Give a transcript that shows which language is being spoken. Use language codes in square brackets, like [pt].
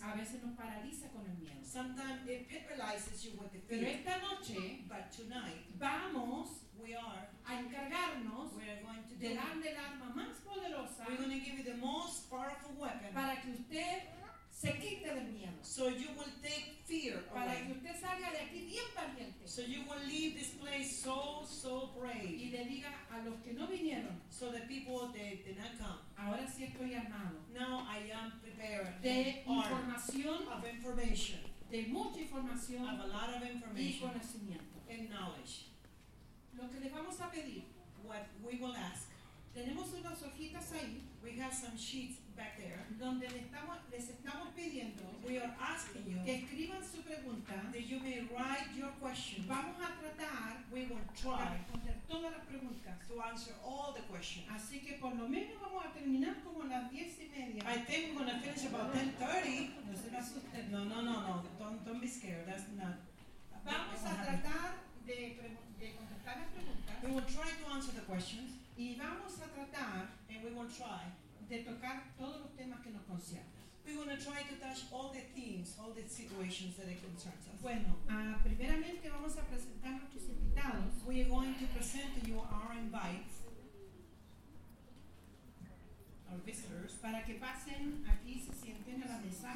[es] a veces nos paraliza con el miedo. [en] Sometimes it paralyzes you with the fear. [es] Pero esta noche, [en] but tonight, [es] vamos, [en] we are, [es] a encargarnos, [en] we are going to [es] de darle el arma más poderosa. [en] We're going to give you the most powerful weapon. [es] Para que usted se quite del miedo. [en] So you will take fear away. [es] Para que usted salga de aquí bien valiente. [en] So you will leave this place so brave. [es] Y le diga a los que no vinieron. [en] So the people that did not come. [es] Ahora sí estoy armado. [en] Now I am prepared. [es] De información. [en] Of information. [es] De mucha información. [en] Of a lot of information. [es] Y conocimiento. [en] And knowledge. [es] Lo que les vamos a pedir. [en] What we will ask. [es] Tenemos unas hojitas ahí. [en] We have some sheets back there. [es] Donde les estamos pidiendo. [en] We are asking you. [es] Que escriban su pregunta. [en] That you may write your question. [es] Vamos a tratar. [en] We will try. [es] Responder todas las preguntas. [en] To answer all the questions. [es] Así que por lo menos vamos a terminar como a las 10:30. [en] I think we're going to finish about 10:30. [es] No se me asusten. [en] No. Don't be scared. That's not. [es] Vamos a tratar. De contestar las preguntas. [en] We will try to answer the questions. [es] Y vamos a tratar, [en] and we will try, [es] de tocar todos los temas que nos conciernen. [en] We want to try to touch all the themes, all the situations that it concerns us. [es] Bueno, primeramente vamos a presentar a nuestros invitados. [en] We are going to present to you our invites, our visitors, [es] para que pasen aquí y se sienten a la mesa.